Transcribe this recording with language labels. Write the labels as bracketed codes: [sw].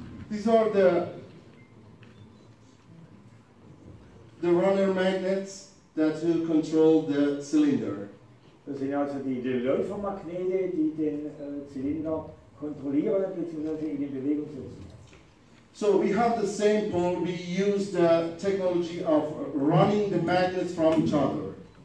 [en] These are the runner magnets that will control the cylinder. [de] Das sind also die Läufermagnete, die den Zylinder kontrollieren bzw. in die Bewegung setzen. [en] So we have the same point, we use the technology of running the magnets from each other.